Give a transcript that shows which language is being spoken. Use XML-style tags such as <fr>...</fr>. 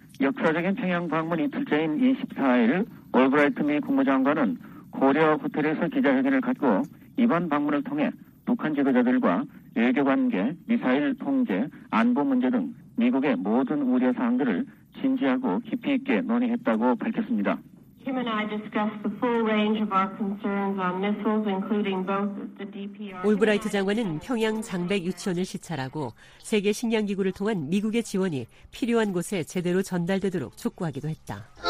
<ko>역사적인 평양 방문 이틀째인 24일 올브라이트 미 국무장관은 고려 호텔에서 기자회견을 갖고 이번 방문을 통해 북한 지도자들과 외교관계, 미사일 통제, 안보 문제 등 미국의 모든 우려 사항들을 진지하고 깊이 있게 논의했다고 밝혔습니다.</ko> <en>Kim and I discussed the full range of our concerns on missiles, including both the DPR.</en> <ko>올브라이트 장관은 평양 장백 유치원을 시찰하고 세계 식량기구를 통한 미국의 지원이 필요한 곳에 제대로 전달되도록 촉구하기도 했다.</ko>